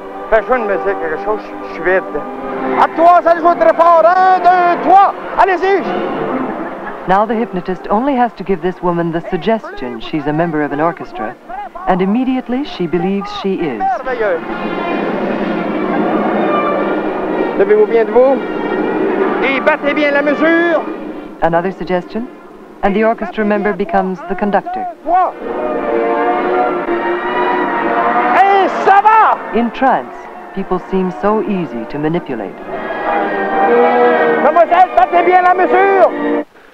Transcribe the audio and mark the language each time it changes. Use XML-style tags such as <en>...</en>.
<fr>Fais jouer une musique, quelque chose, je suis vide. À toi, ça joue très fort. Un, deux, trois, allez-y.</fr> <en>Now the hypnotist only has to give this woman the suggestion she's a member of an orchestra, and immediately she believes she is.</en> <fr>Levez-vous bien de vous et battez bien la mesure.</fr> <en>Another suggestion, and the orchestra member becomes the conductor.</en> <fr>Et ça va!</fr> <en>In trance, people seem so easy to manipulate.</en> <fr>Mademoiselle, battez bien la mesure!</fr>